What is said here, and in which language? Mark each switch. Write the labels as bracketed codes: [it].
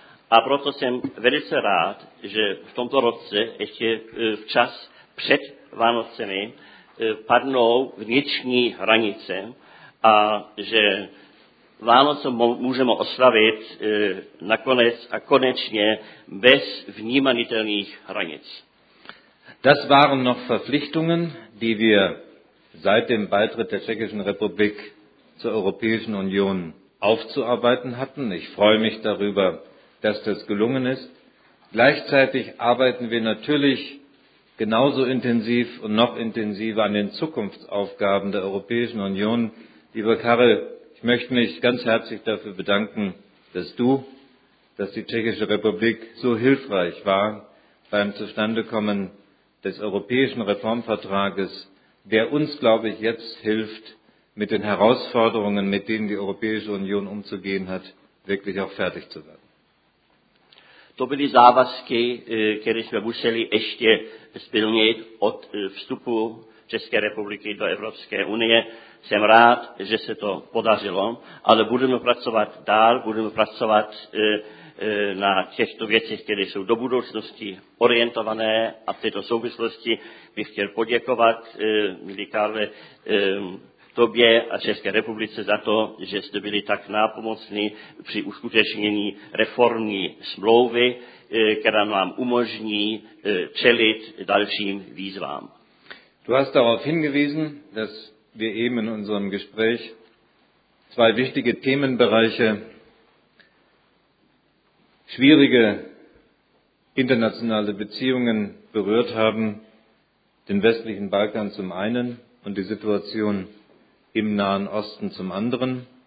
[cs] A proto jsem velice rád, že v tomto roce, ještě včas před Vánocemi, padnou vnitřní hranice a že Vánoce můžeme oslavit nakonec a konečně bez vnímanitelných hranic. [de] Das waren noch Verpflichtungen, die wir seit dem Beitritt der Tschechischen Republik zur Europäischen Union aufzuarbeiten hatten. Ich freue mich darüber, dass das gelungen ist. Gleichzeitig arbeiten wir natürlich genauso intensiv und noch intensiver an den Zukunftsaufgaben der Europäischen Union. Lieber Karel, ich möchte mich ganz herzlich dafür bedanken, dass die Tschechische Republik so hilfreich war beim Zustandekommen des Europäischen Reformvertrages, der uns, glaube ich, jetzt hilft, mit den Herausforderungen, mit denen die Europäische Union umzugehen hat, wirklich auch fertig zu werden. [cs] To byly závazky, které jsme museli ještě splnit od vstupu České republiky do Evropské unie. Jsem rád, že se to podařilo, ale budeme pracovat dál, budeme pracovat na těchto věcech, které jsou do budoucnosti orientované, a v této souvislosti bych chtěl poděkovat, milý Karle, tobě a České republice za to, že jste byli tak nápomocní při uskutečnění reformní smlouvy, která nám umožní čelit dalším výzvám. [de] Du hast darauf hingewiesen, dass wir eben in unserem Gespräch zwei wichtige Themenbereiche, schwierige internationale Beziehungen berührt haben, den westlichen Balkan zum einen und die Situation im Nahen Osten zum anderen.